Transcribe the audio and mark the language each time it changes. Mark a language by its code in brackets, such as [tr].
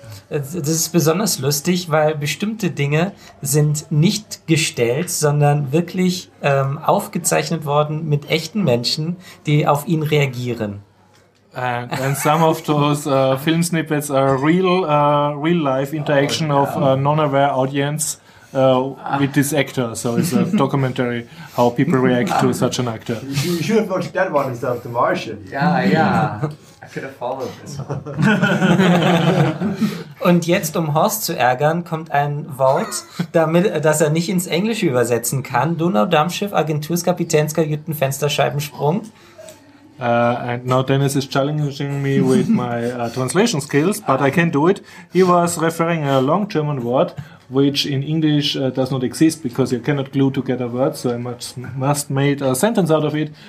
[de] Das ist besonders lustig, weil bestimmte Dinge sind nicht gestellt, sondern wirklich aufgezeichnet worden mit echten Menschen, die auf ihn reagieren. [en] And some of those film snippets are real life interaction of a non-aware audience with this actor. So it's a documentary how people react to such an actor. You should have watched that one instead of The Martian. Yeah. I could have followed this one. [de] Und jetzt, um Horst zu ärgern, kommt ein Wort, damit, das er nicht ins Englische übersetzen kann. Donau Dampfschiff Agenturs Kapitäns Kajüten Fensterscheibensprung. [en] And now Dennis is challenging me with my translation skills, but I can do it. He was referring a long German word, which in English does not exist because you cannot glue together words, so I must make a sentence out of it.